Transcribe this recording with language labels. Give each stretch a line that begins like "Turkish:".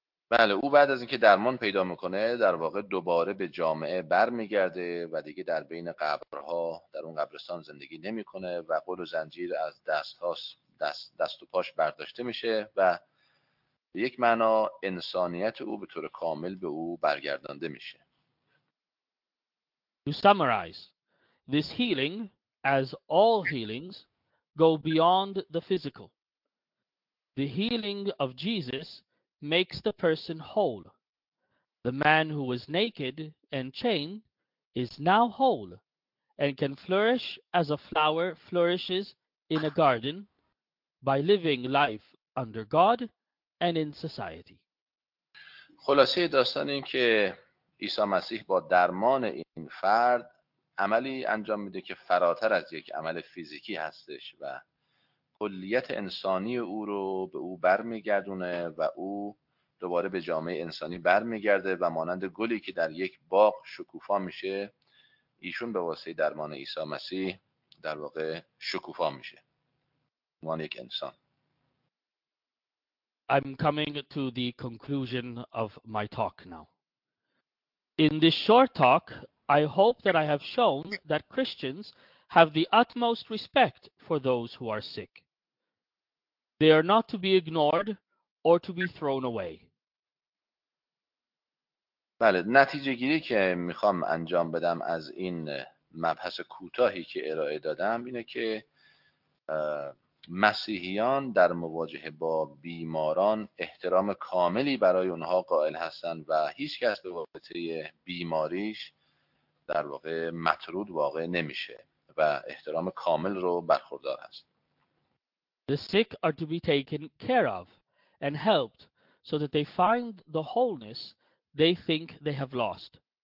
Persian: بله، او بعد از اینکه درمان پیدا میکنه در واقع دوباره به جامعه برمیگرده و دیگه در بین قبرها در اون قبرستان زندگی نمیکنه و قل و زنجیر از دست و پاش برداشته میشه و به یک معنا انسانیت او به طور کامل به او برگردانده میشه.
English: To summarize, this healing, as all healings, go beyond the physical. The healing of Jesus makes the person whole. The man who was naked and chained is now whole and can flourish as a flower flourishes in a garden by living life under God and in society.
Persian: خلاصه داستان این که عیسی مسیح با درمان این فرد عملی انجام میده که فراتر از یک عمل فیزیکی هستش و کلیت انسانی او رو به او برمیگردونه و او دوباره به جامعه انسانی برمیگرده و مانند گلی که در یک باغ شکوفا میشه، ایشون به واسطه درمان عیسی مسیح در واقع شکوفا میشه مان یک انسان.
English: I'm coming to the conclusion of my talk now. In this short talk, I hope that I have shown that Christians have the utmost respect for those who are sick. They are not to be ignored or to be thrown away.
Persian: بله، نتیجه گیری که میخوام انجام بدم از این مبحث کوتاهی که ارائه دادم اینه که مسیحیان در مواجهه با بیماران احترام کاملی برای اونها قائل هستن و هیچ کس به واسطه بیماریش در واقع مطرود واقع نمیشه و احترام کامل رو برخوردار هست.
English: The sick are to be taken care of and helped so that they find the wholeness they think they have lost.